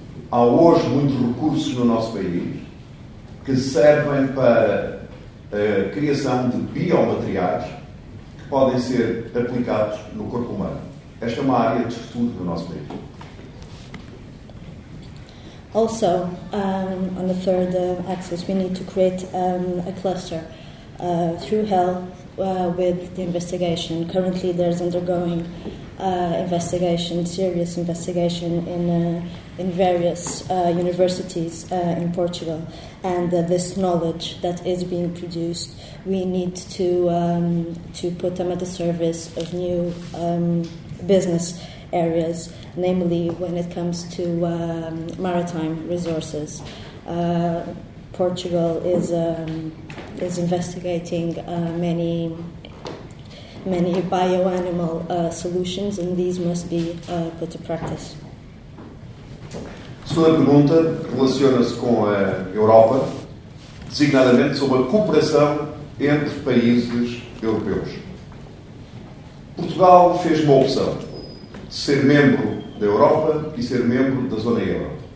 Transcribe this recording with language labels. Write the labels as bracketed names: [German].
[Portuguese] Há hoje muitos recursos no nosso país que servem para a criação de biomateriais podem ser aplicados no corpo humano. Esta é uma área de estudo do nosso país. [English] Also, on the third axis, we need to create a cluster through health with the investigation. Currently, there's undergoing investigation, serious investigation in various universities in Portugal. And this knowledge that is being produced, we need to put them at the service of new business areas, namely when it comes to maritime resources. Portugal is investigating many bioanimal solutions, and these must be put to practice. [Portuguese] Sua pergunta relaciona-se com a Europa, designadamente sobre a cooperação entre países europeus. Portugal fez uma opção de ser membro da Europa e ser membro da Zona Euro.